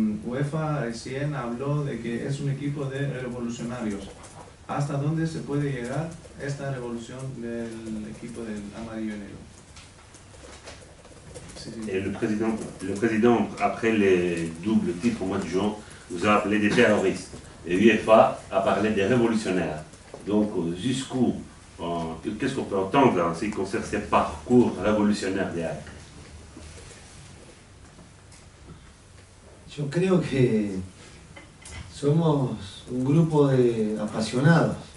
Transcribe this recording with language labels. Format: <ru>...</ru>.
<es>UEFA recién habló de que es un equipo de revolucionarios. ¿Hasta dónde se puede llegar esta revolución del equipo del amarillo y negro?</es> <fr>Et le président, après le double titre au mois de juin, vous a appelé des terroristes. Et UEFA a parlé des révolutionnaires. Donc jusqu'où, qu'est-ce qu'on peut entendre en ce qui concerne ces parcours révolutionnaires des actes?</fr> <es>Yo creo que somos un grupo de apasionados.</es>